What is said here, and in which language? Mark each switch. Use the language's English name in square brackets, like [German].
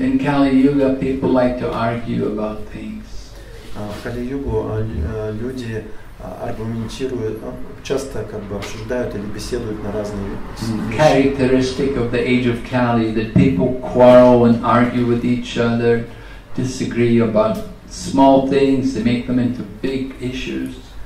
[English] In Kali-Yuga, people like to argue about things. [Russian] В Кали-Югу люди аргументируют, часто как бы обсуждают или беседуют на разные вещи. [English] Characteristic of the age of Kali, that people quarrel and argue with each other, disagree about small things, they make them into big issues.